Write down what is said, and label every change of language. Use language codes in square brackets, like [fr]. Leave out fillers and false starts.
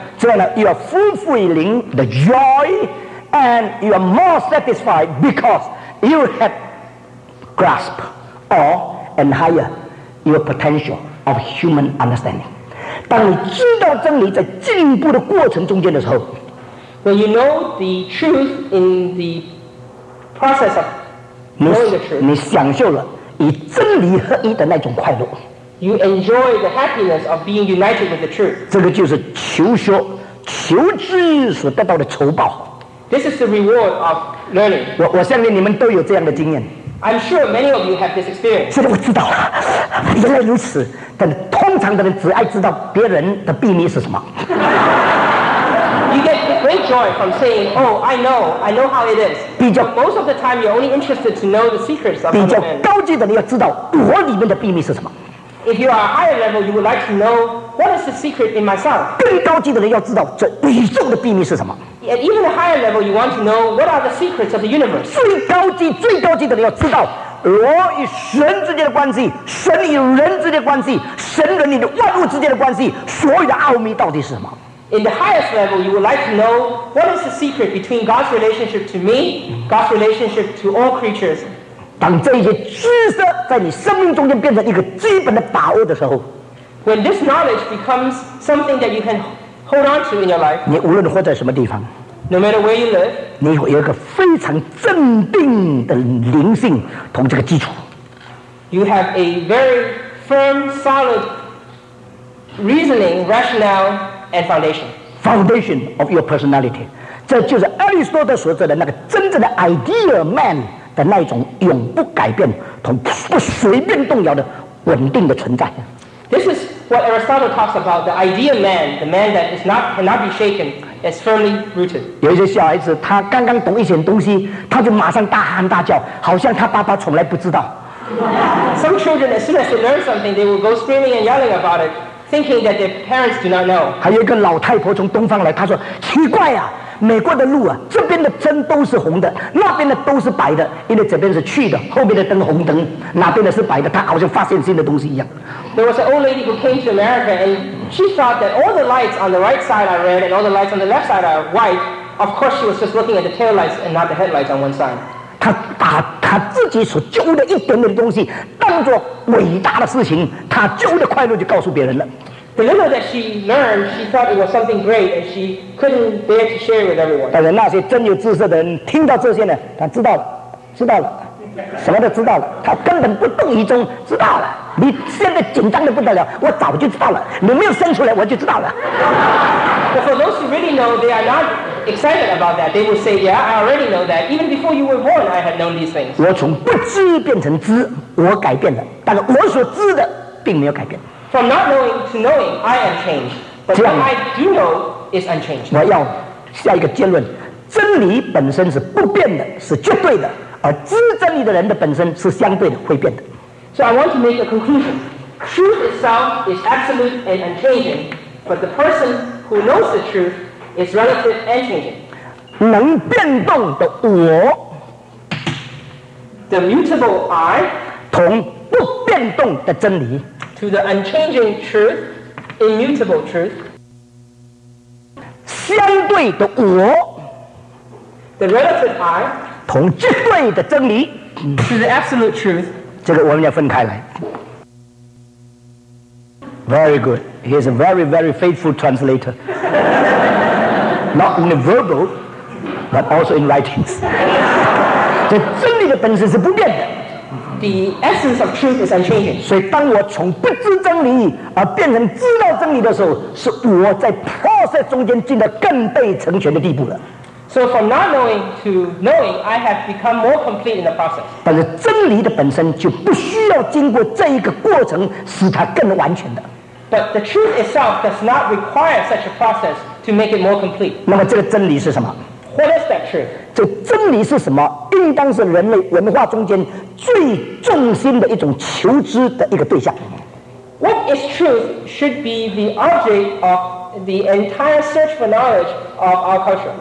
[zh] 这样呢 [en] you are fulfilling the joy and you are more satisfied because you have grasp or and higher your potential of human understanding. [zh] 当你知道真理在进步的过程中间的时候 [en] When you know the truth in the process of knowing the truth. [zh] 你享受了与真理合一的那种快乐。 [en] You enjoy the happiness of being united with the truth. [zh] 这个就是求学、求知所得到的酬报。 [en] This is the reward of learning. [zh] 我相信你们都有这样的经验。 [en] I'm sure many of you have this experience. [zh] 是的，我知道了，原来如此。但通常的人只爱知道别人的秘密是什么。 [en] You get great joy from saying, "Oh, I know how it is." But most of the time, you're only interested to know the secrets of other men. [zh] 比较高级的，你要知道我里面的秘密是什么。 [en] If you are a higher level, you would like to know what is the secret in myself. [zh] 更高级的人要知道这宇宙的秘密是什么。 [en] At even a higher level, you want to know what are the secrets of the universe. [zh] 最高级、最高级的人要知道我与神之间的关系，神与人之间的关系，神人里的万物之间的关系，所有的奥秘到底是什么。 [en] In the highest level, you would like to know what is the secret between God's relationship to me, God's relationship to all creatures. [zh] 当这些知识在你生命中间变成一个基本的把握的时候， [en] when this knowledge becomes something that you can hold on to in your life, [zh] 你无论活在什么地方， [en] no matter where you live, [zh] 你会有一个非常镇定的灵性同这个基础。 [en] You have a very firm, solid reasoning, rationale,and foundation of your personality. [zh] 这就是阿里斯多德所说的那个真正的 idea man 的那种永不改变同不随便动摇的稳定的存在。 [en] This is what Aristotle talks about, the idea man, the man that is not, cannot be shaken, is firmly rooted. 有一些小孩子他刚刚懂一些东西，他就马上大喊大叫，好像他爸爸从来不知道。 Some children, as soon as they learn something, they will go screaming and yelling about it. Thinking that their parents do not know. [zh] 还有一个老太婆从东方来，她说：“奇怪啊，美国的路啊，这边的灯都是红的，那边的都是白的，因为这边是去的，后面的灯红灯，哪边的是白的？”她好像发现新的东西一样。 [en] There was an old lady who came to America, and she thought that all the lights on the right side are red, and all the lights on the left side are white. Of course, she was just looking at the tail lights and not the headlights on one side. [zh] 她把她自己所揪的一点点的东西当做伟大的事情，她揪的快乐就告诉别人了。 [en] The little that she learned, she thought it was something great, and she couldn't bear to share it with everyone. [zh] 但是那些真有知识的人听到这些呢，他知道了，知道了，什么都知道了，他根本不动于衷，知道了。你现在紧张的不得了，我早就知道了。你没有生出来，我就知道了。 [en] But for those who really know, they are not excited about that. They will say, "Yeah, I already know that. Even before you were born, I had known these things." [zh] 我从不知变成知，我改变了，但是我所知的并没有改变。 [en] From not knowing to knowing, I am changed. But what I do know is unchanged. [zh] 我要下一个结论：真理本身是不变的，是绝对的；而知真理的人的本身是相对的，会变的。 [en] So I want to make a conclusion. Truth itself is absolute and unchanging, but the person who knows the truth is relative and changing. [zh] 能变动的我 [en] ，the mutable I， [zh] 同不变动的真理。 [en] To the unchanging truth, immutable truth. [zh] 相对的我 [en] The relative I. [zh] 同绝对的真理 [en] To the absolute truth. [zh] 这个我们要分开来 [en] Very good. He is a very, very faithful translator. Not only verbal, but also in writings. [zh] 这真理的本身是不变的。 [en] The essence of truth is unchanging. [zh] 所以当我从不知真理而变成知道真理的时候，是我在 process 中间进了更被成全的地步了。 [en] So from not knowing to knowing, I have become more complete in the process. [zh] 但是真理的本身就不需要经过这一个过程使它更完全的。 [en] But the truth itself does not require such a process to make it more complete. [zh] 那么这个真理是什么？ [en] What is that truth? [zh] 这真理是什么？应当是人类文化中间最重心的一种求知的一个对象。 [en] What is truth should be the object of the entire search for knowledge of our culture.